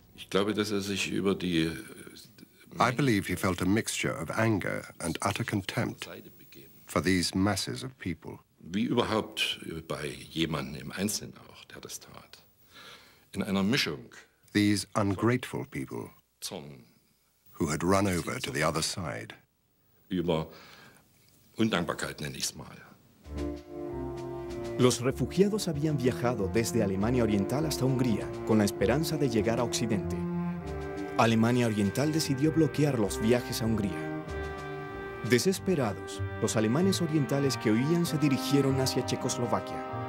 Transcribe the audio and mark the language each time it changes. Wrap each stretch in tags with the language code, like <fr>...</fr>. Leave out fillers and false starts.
<en>I believe he felt a mixture of anger and utter contempt for these masses of people.</en> <de>Wie überhaupt bei jemandem im Einzelnen auch, der das tat. In einer Mischung.</de> <en>These ungrateful people who had run over to the other side.</en> <de>Über Undankbarkeit nenne ich es mal.</de> <es>Los refugiados habían viajado desde Alemania Oriental hasta Hungría con la esperanza de llegar a Occidente. Alemania Oriental decidió bloquear los viajes a Hungría. Desesperados, los alemanes orientales que huían se dirigieron hacia Checoslovaquia.</es>